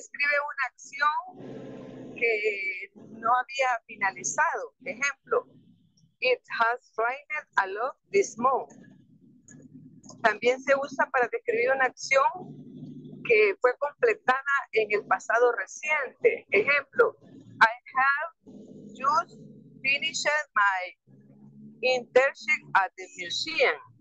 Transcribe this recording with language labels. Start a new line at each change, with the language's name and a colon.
Spanish: Describe una acción que no había finalizado.
English: Ejemplo, it has rained a lot this month.
Spanish: También se usa para describir una acción que fue completada en el pasado reciente.
English: Ejemplo, I have just finished my internship at the museum.